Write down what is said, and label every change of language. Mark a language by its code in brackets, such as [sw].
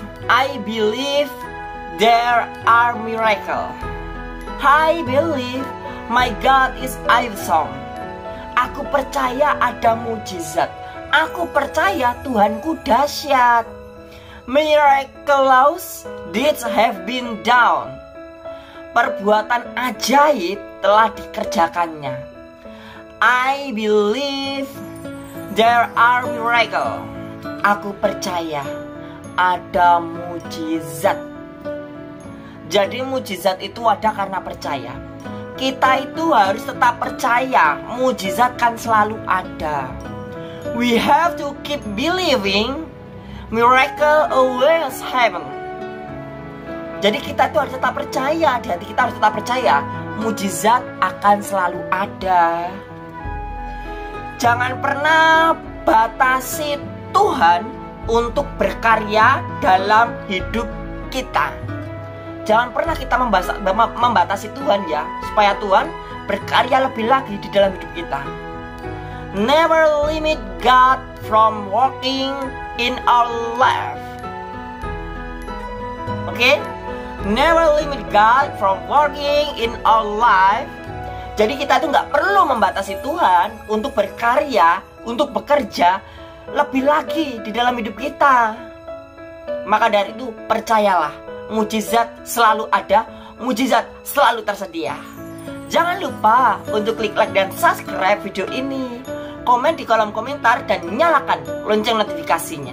[en] I believe there are miracles. I believe my God is awesome. [id] Aku percaya ada mujizat. Aku percaya Tuhanku dahsyat. [en] Miraculous deeds have been done. [id] Perbuatan ajaib telah dikerjakannya. [en] I believe there are miracles. [id] Aku percaya ada mujizat. Jadi mujizat itu ada karena percaya. Kita itu harus tetap percaya. Mujizat kan selalu ada. [en] We have to keep believing. Miracle always happen. [id] Jadi kita itu harus tetap percaya. Di hati kita harus tetap percaya. Mujizat akan selalu ada. Jangan pernah batasi Tuhan untuk berkarya dalam hidup kita. Jangan pernah kita membatasi Tuhan ya, supaya Tuhan berkarya lebih lagi di dalam hidup kita. [en] Never limit God from working in our life. Okay? Never limit God from working in our life. [id] Jadi kita itu gak perlu membatasi Tuhan untuk berkarya, untuk bekerja lebih lagi di dalam hidup kita. Maka dari itu percayalah, mujizat selalu ada, mujizat selalu tersedia. Jangan lupa untuk klik like dan subscribe video ini. Komen di kolom komentar dan nyalakan lonceng notifikasinya.